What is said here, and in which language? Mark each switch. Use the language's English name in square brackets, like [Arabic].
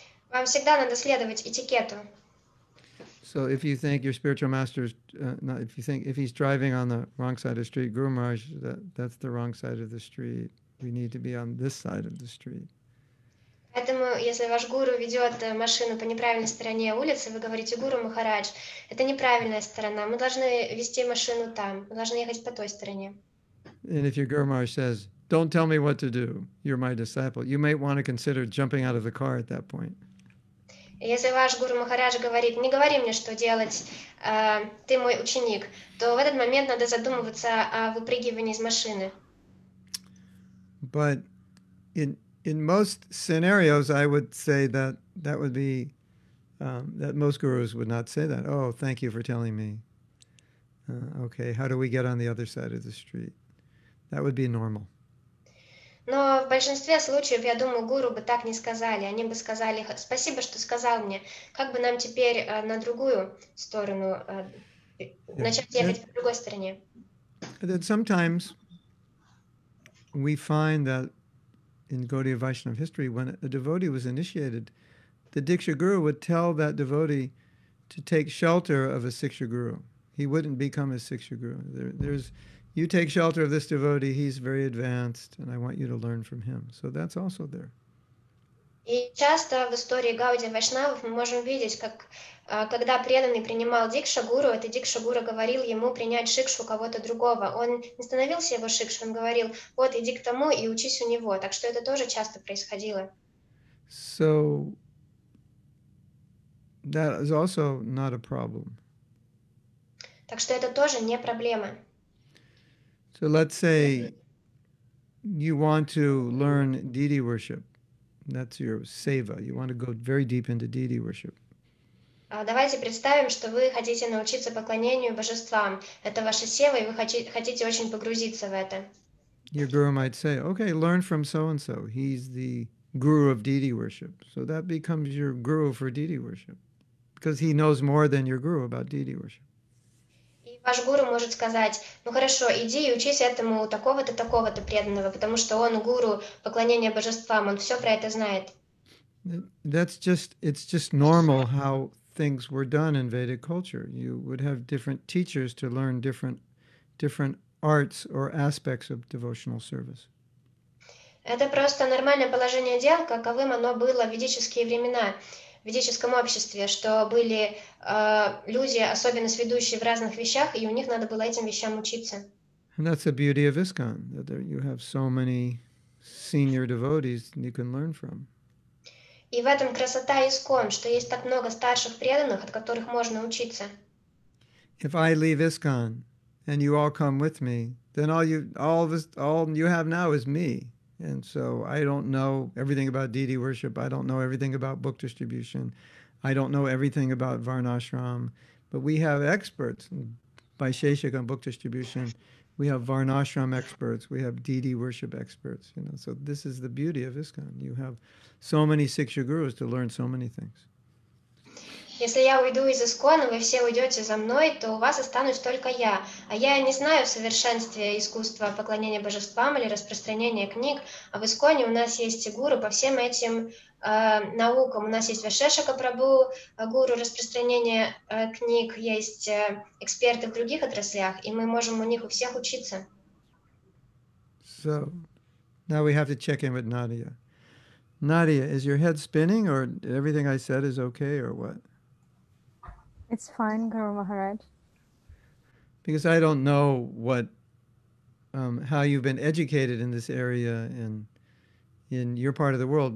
[Russian] Вам всегда надо следовать этикету. [English] So if you think your spiritual master is if he's driving on the wrong side of the street, Guru Maharaj, that's the wrong side of the street. We need to be on this side of the street. [Russian] Поэтому, если ваш гуру ведет машину по неправильной стороне улицы, вы говорите, гуру Махарадж, это неправильная сторона, мы должны вести машину там, мы должны ехать по той стороне. [English] And if your guru Maharaj says, don't tell me what to do, you're my disciple, you may want to consider jumping out of the car at that point. [Russian] Если ваш гуру Махарадж говорит, не говори мне, что делать, ты мой ученик, то в этот момент надо задумываться о выпрыгивании из машины. [English] But in most scenarios, I would say that would be that most gurus would not say that. Oh, thank you for telling me. Okay, how do we get on the other side of the street? That would be normal. [Russian] Но в большинстве случаев, я думаю, гуру бы так не сказали. Они бы сказали, спасибо, что сказал мне. Как бы нам теперь на другую сторону начать ехать по другой стороне? [English] Then sometimes we find that in Gaudiya Vaishnav history, when a devotee was initiated, the Diksha Guru would tell that devotee to take shelter of a Siksha Guru. He wouldn't become a Siksha Guru. There's, you take shelter of this devotee, he's very advanced, and I want you to learn from him. So that's also there. [Russian] И часто в истории Гаудии Вайшнавов мы можем видеть, как когда преданный принимал дикшагуру, этот дикшагуру говорил ему принять шикшу кого-то другого. Он не становился его шикшу, он говорил, вот иди к тому и учись у него. Так что это тоже часто происходило. [English] So that is also not a problem. [Russian] Так что это тоже не проблема. [English] So let's say you want to learn deity worship. That's your seva. You want to go very deep into deity worship. [Russian] Давайте представим, что вы хотите научиться поклонению божествам. Это ваша сева, и вы хотите очень погрузиться в это. [English] Your guru might say, okay, learn from so-and-so. He's the guru of deity worship. So that becomes your guru for deity worship. Because he knows more than your guru about deity worship. [Russian] Ваш гуру может сказать, ну хорошо, иди и учись этому у такого-то, такого-то преданного, потому что он гуру поклонения божествам, он все про это знает. [English] It's just normal how things were done in Vedic culture. You would have different teachers to learn different arts or aspects of devotional service. [Russian] Это просто нормальное положение дел, каковым оно было в ведические времена. В ведическом обществе, что были люди, особенно сведущие в разных вещах, и у них надо было этим вещам учиться. [English] And that's the beauty of ISKCON, that there, you have so many senior devotees and you can learn from. [Russian] И в этом красота ИСККОН, что есть так много старших преданных, от которых можно учиться. [English] If I leave ISKCON and you all come with me, then all you have now is me. And so I don't know everything about deity worship. I don't know everything about book distribution. I don't know everything about Varnashram. But we have experts by Sheshik on book distribution. We have Varnashram experts. We have deity worship experts. You know, so this is the beauty of ISKCON. You have so many Siksha gurus to learn so many things. [Russian] Если я уйду из ИСККОНа, вы все уйдете за мной, то у вас останусь только я. А я не знаю совершенствия искусства поклонения божествам или распространения книг. А в ИСККОНе у нас есть гуру по всем этим наукам. У нас есть Вашешака Прабу, гуру распространения книг. Есть эксперты в других отраслях, и мы можем у них у всех учиться. [English] So, now we have to check in with Nadia. Nadia, is your head spinning, or everything I said is okay, or what? It's fine, Guru Maharaj. Because I don't know what, how you've been educated in this area and in your part of the world.